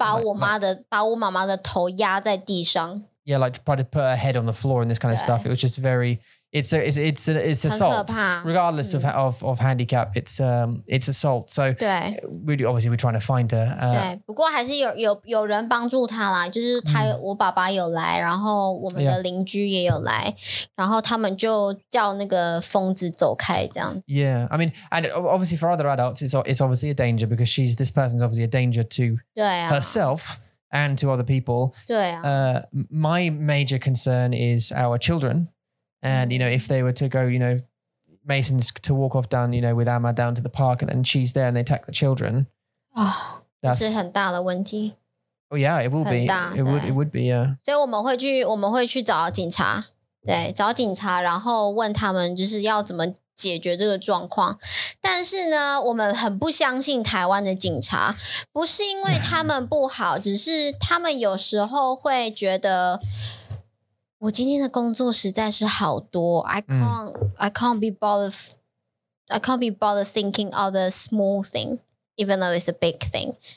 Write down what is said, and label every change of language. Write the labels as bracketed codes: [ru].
[zh] 就是打阿嬷，对啊，就把我妈的，把我妈妈的头压在地上。 [en] Yeah, like try to put her head on the floor and this kind of stuff. It was just very. It's assault. Regardless of handicap, it's assault. So we're trying to find her. [zh] 对，不过还是有人帮助她啦，就是她我爸爸有来，然后我们的邻居也有来，然后他们就叫那个疯子走开这样子。Yeah, [en] I mean, and obviously for other adults, it's obviously a danger because this person's obviously a danger to herself. And to other people. My major concern is our children. And, you know, if they were to go, you know, Mason's to walk off down, you know, with Ama down to the park and then she's there and they attack the children. Oh, that's a big problem. Oh, yeah, it will be. [zh] 很大, [en] it would be, yeah. [zh] So 我们会去找警察, 对, 找警察, 然后问他们就是要怎么解决这个状况。但是呢, 我们很不相信台湾的警察, 不是因为他们不好, 只是他们有时候会觉得, 我今天的工作实在是好多, [en] I can't be bothered thinking of the small thing, even though it's a big thing.